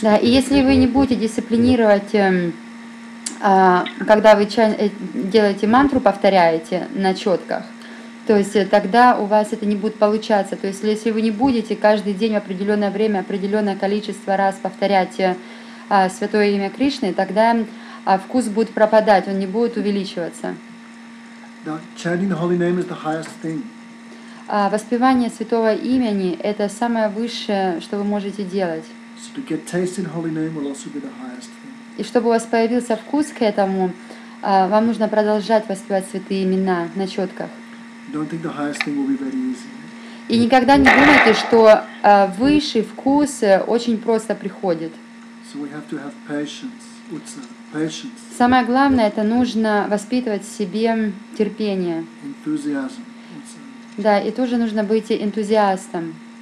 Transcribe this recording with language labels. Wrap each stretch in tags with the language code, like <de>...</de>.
<ru>Да, и если вы не будете дисциплинировать, когда вы делаете мантру, повторяете на четках, то есть тогда у вас это не будет получаться. То есть если вы не будете каждый день в определенное время, определенное количество раз повторять святое имя Кришны, тогда вкус будет пропадать, он не будет увеличиваться.</ru> <en>Да, chanting the holy name is the highest thing.</en> <ru>Воспевание святого имени – это самое высшее, что вы можете делать.</ru> <en>So to get taste in holy name will also be the highest thing.</en> <ru>И чтобы у вас появился вкус к этому, вам нужно продолжать воспевать святые имена на четках.</ru> <en>Don't think the highest thing will be very easy.</en> <ru>И никогда не думайте, что высший вкус очень просто приходит.</ru> <en>So we have to have patience. Utsa, patience.</en> <ru>Самое главное – это нужно воспитывать в себе терпение.</ru> <en>Enthusiasm.</en> <ru>Да, и тоже нужно быть энтузиастом.</ru>